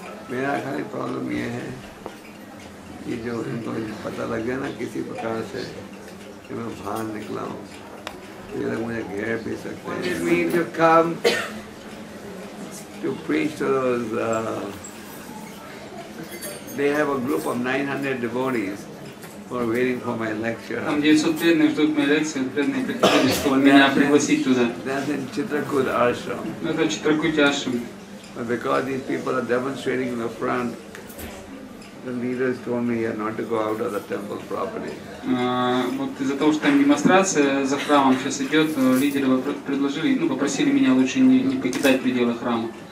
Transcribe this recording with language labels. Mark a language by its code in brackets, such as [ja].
[hi] मेरा खाली प्रॉब्लम ये है कि जो इनको पता लग गया ना किसी प्रकार से कि मैं बाहर निकला हूँ ये लोग मुझे घेर भी सकते हैं [en] What it mean to come to preach to those they have a group of 900 devotees for waiting for my lecture. [ru] Там 900 преданных ждут моей лекции, преданные приходят, чтобы меня пригласить туда. [en] That's in Chitrakoot Ashram. [ru] Это Chitrakoot Ashram. [en] But because these people are demonstrating in the front, the leaders told me here not to go out of the temple property. [ru] Вот из-за того, что там демонстрация за храмом сейчас идет, лидеры предложили, ну попросили меня лучше не покидать пределы храма.